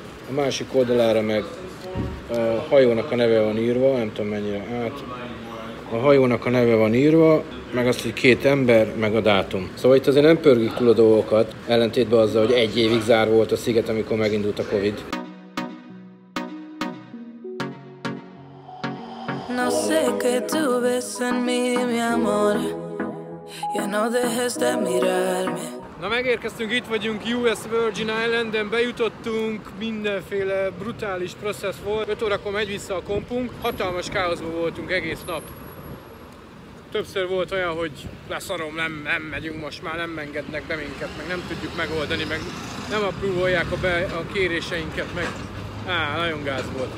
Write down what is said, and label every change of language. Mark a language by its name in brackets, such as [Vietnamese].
[Hungarian] A másik oldalára meg a hajónak a neve van írva, nem tudom mennyire át. A hajónak a neve van írva, meg azt, hogy két ember, meg a dátum. Szóval itt azért nem pörgik túl a dolgokat, ellentétben azzal, hogy egy évig zár volt a sziget, amikor megindult a Covid. [Spanish] No sé qué tú ves en mí, mi amor. Ya no dejes de mirarme. [Hungarian] Na megérkeztünk, itt vagyunk US Virgin Islanden, bejutottunk, mindenféle brutális process volt. 5 órakor megy vissza a kompunk, hatalmas káoszban voltunk egész nap. Többször volt olyan, hogy leszarom, nem megyünk most már, nem engednek be minket, meg nem tudjuk megoldani, meg nem approvalják a kéréseinket, meg nagyon gáz volt.